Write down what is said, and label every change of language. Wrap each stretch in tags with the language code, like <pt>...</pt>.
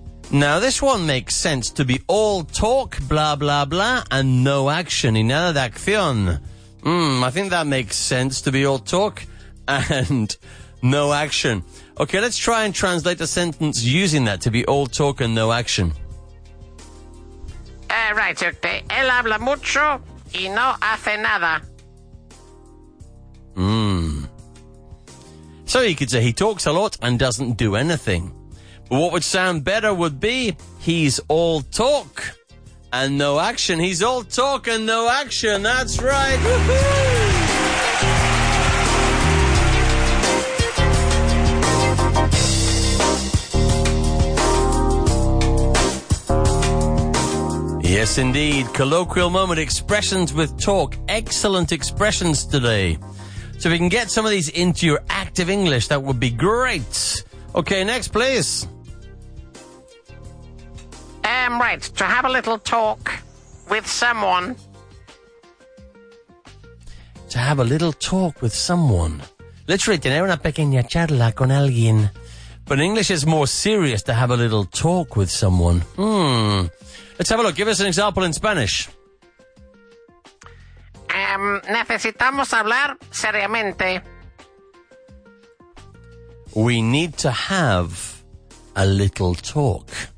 <en>Now, this one makes sense. To be all talk, blah, blah, blah, and no action.</en> <es>Y nada de acción.</es> <en>I think that makes sense, to be all talk and no action. Okay, let's try and translate the sentence using that, to be all talk and no action. Right, okay.</en> <es>Él habla mucho y no hace nada.</es> <en>So you could say he talks a lot and doesn't do anything. But what would sound better would be he's all talk and no action. He's all talk and no action. That's right. Woo-hoo! Yes, indeed. Colloquial Moment, expressions with talk. Excellent expressions today. So if we can get some of these into your active English, that would be great. Okay, next, please. Right, to have a little talk with someone. To have a little talk with someone. Literally,</en> <es>tener una pequeña charla con alguien.</es> <en>But in English, it's more serious to have a little talk with someone. Let's have a look. Give us an example in Spanish.</en> <es>Necesitamos hablar seriamente.</es> <en>We need to have a little talk.</en>